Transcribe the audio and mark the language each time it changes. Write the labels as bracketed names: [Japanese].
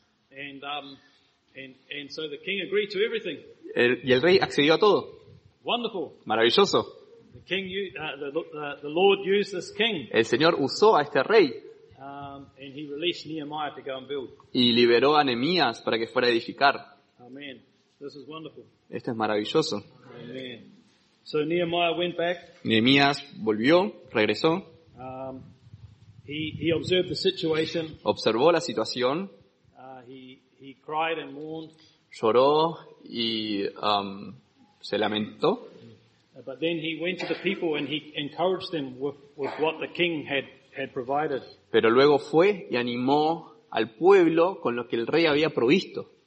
[English] And so the king agreed to everything. [Spanish] Y el rey accedió a todo. [English] Wonderful. [Spanish] Maravilloso. [English] The Lord used this king. [Spanish] El Señor usó a este rey. [English] And he released Nehemiah to go and build. [Spanish] Y liberó a Nehemías para que fuera a edificar. [English] Amen. This is wonderful. [Spanish] Esto es maravilloso. [English] Amen. So Nehemiah went back. [Spanish] Nehemías volvió, regresó. [English] He observed the situation. [Spanish] Observó la situación. [English] He cried and mourned. [Spanish] Lloró y se lamentó. [English] But then he went to the people and he encouraged them with what the king had provided. [Spanish] Pero luego fue y animó al pueblo con lo que el rey había provisto.